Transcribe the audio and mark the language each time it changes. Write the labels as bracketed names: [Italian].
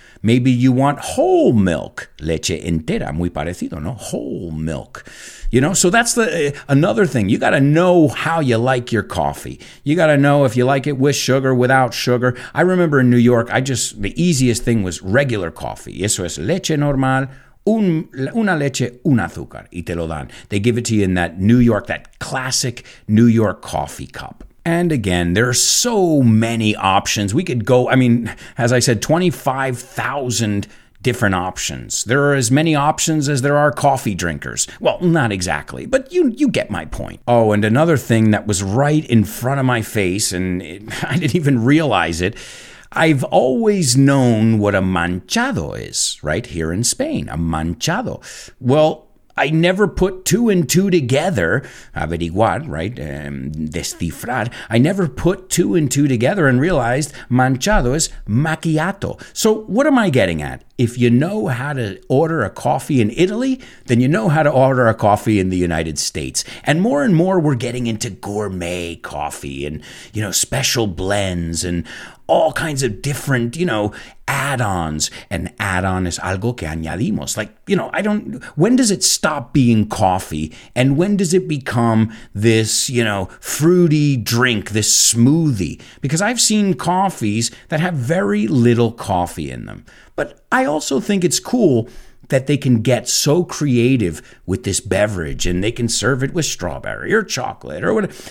[English] Maybe you want whole milk. [Spanish] Leche entera. Muy parecido, no? [English] Whole milk. You know, so that's the another thing. You got to know how you like your coffee. You got to know if you like it with sugar, without sugar. I remember in New York, the easiest thing was regular coffee. [Spanish] Eso es leche normal. Una leche, un azúcar, y te lo dan. [English] They give it to you in that New York, that classic New York coffee cup. And again, there are so many options. We could go, I mean, as I said, 25,000 different options. There are as many options as there are coffee drinkers. Well, not exactly, but you get my point. Oh, and another thing that was right in front of my face, and I didn't even realize it, I've always known what a manchado is, right? Here in Spain, a manchado. Well, I never put two and two together, averiguar, right? Descifrar. I never put two and two together and realized manchado is macchiato. So what am I getting at? If you know how to order a coffee in Italy, then you know how to order a coffee in the United States. And more we're getting into gourmet coffee and, you know, special blends and all kinds of different, you know, add-ons. An add-on is [Spanish] algo que añadimos. [English] Like, you know, when does it stop being coffee? And when does it become this, you know, fruity drink, this smoothie? Because I've seen coffees that have very little coffee in them. But I also think it's cool that they can get so creative with this beverage and they can serve it with strawberry or chocolate or whatever.